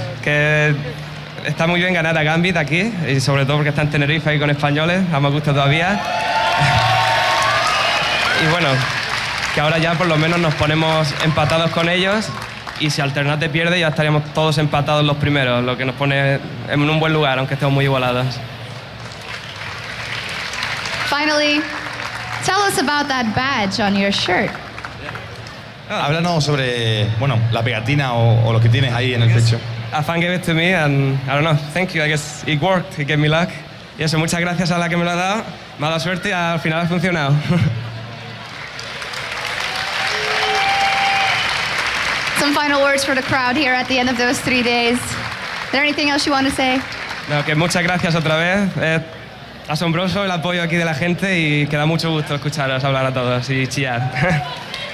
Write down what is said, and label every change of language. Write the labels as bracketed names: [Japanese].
[Spanish] Que está muy bien ganar a Gambit aquí y sobre todo porque está en Tenerife y con españoles. A más gusto todavía. Y bueno. Que ahora ya por lo menos nos ponemos empatados con ellos y si Alternate pierde ya estaríamos todos empatados los primeros, lo que nos pone en un buen lugar, aunque estemos muy igualados. [English] Finally, tell us about that badge on your shirt. [Spanish] Háblanos sobre, bueno, la pegatina o lo que tienes ahí en el pecho. [English] A fan gave it to me and I don't know, thank you, I guess it worked, it gave me luck. [Spanish] Y eso, muchas gracias a la que me lo ha dado, mala suerte y al final ha funcionado. [English] Some final words for the crowd here at the end of those 3 days. Is there anything else you want to say? [Spanish] No, que muchas gracias otra vez. Asombroso el apoyo aquí de la gente y que da mucho gusto escucharos hablar a todos y chillar.